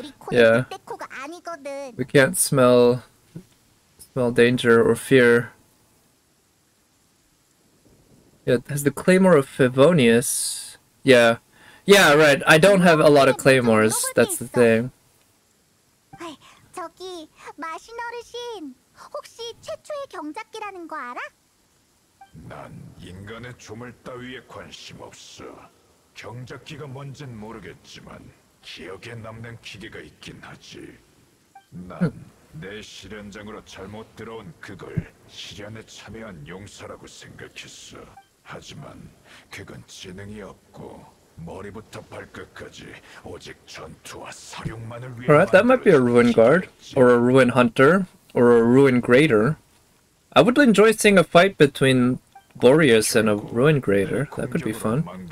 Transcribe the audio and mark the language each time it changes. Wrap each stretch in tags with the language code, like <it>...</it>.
<en>Yeah, we can't smell danger or fear. Yeah, has the claymore of Favonius. Yeah, right, I don't have a lot of claymores, that's the thing.</en> <ko>Hey, 저기, 마신 어르신, 혹시 최초의 경작기라는 거 알아? 난 인간의 조물 따위에 관심 없어. 경작기가 뭔진 모르겠지만 기억에 남는 기계가 있긴 하지. 난 내 시련장으로 잘못 들어온 그걸 시련에 참여한 용사라고 생각했어. 하지만 그건 지능이 없고 머리부터 발끝까지 오직 전투와 사륙만을 위해.</ko> <en>Alright, that might be a ruin guard or a ruin hunter or a ruin grader. I would enjoy seeing a fight between Boreas and a Ruin Grader. That could be fun.</en>